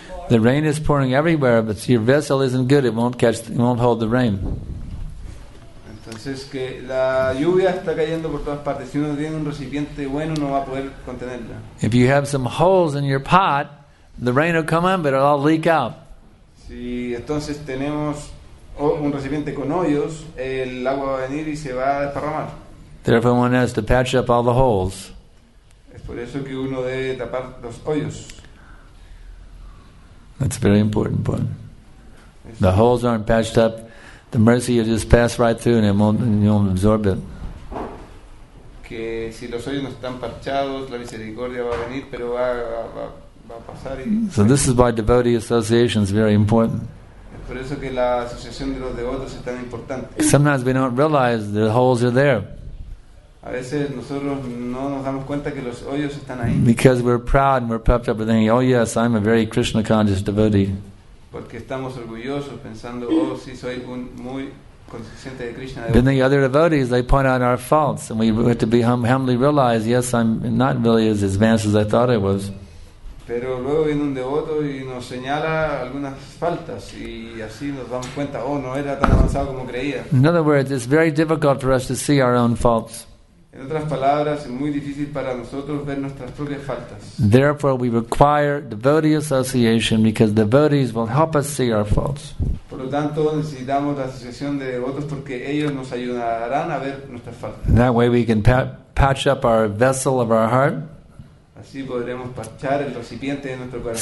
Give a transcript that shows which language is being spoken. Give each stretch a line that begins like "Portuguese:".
English: The rain is pouring everywhere, but your vessel isn't good. It won't catch. It won't hold the rain.
Spanish: Entonces que la lluvia está cayendo por todas partes. Si uno tiene un recipiente bueno, no va a poder contenerla.
English: If you have some holes in your pot, the rain will come in, but it'll all leak out.
Spanish: Si entonces tenemos un recipiente con hoyos, el agua va a venir y se va a desparramar.
English: Therefore, one has to patch up all the holes.
Spanish: Es por eso que uno debe tapar los hoyos.
English: That's a very important point. The holes aren't patched up, the mercy will just pass right through and it won't absorb it.
Spanish: Que si los hoyos no están parchados, la misericordia va a venir, pero va a pasar y...
English: So this is why devotee association is very important.
Spanish: Por eso que la asociación de los devotos es tan importante.
English: Sometimes we don't realize the holes are there.
Spanish: A veces nosotros no nos damos cuenta que los hoyos están ahí.
English: Because we're proud and we're puffed up and thinking, oh yes, I'm a very Krishna conscious devotee.
Spanish: Porque estamos orgullosos pensando, oh sí, soy un muy consciente de Krishna.
English: Then the other devotees, they point out our faults and we have to be humbly realize, yes, I'm not really as advanced as I thought I was.
Spanish: Pero luego viene un devoto y nos señala algunas faltas y así nos damos cuenta, oh, no era tan avanzado como creía.
English: In other words, it's very difficult for us to see our own faults.
Spanish: En otras palabras, es muy difícil para nosotros ver nuestras propias faltas.
English: Therefore, we require devotee association because devotees will help us see our faults.
Spanish: Por lo tanto, necesitamos la asociación de devotos porque ellos nos ayudarán a ver nuestras faltas.
English: That way we can patch up our vessel of our heart.
Spanish: Así podremos parchar el recipiente de nuestro corazón.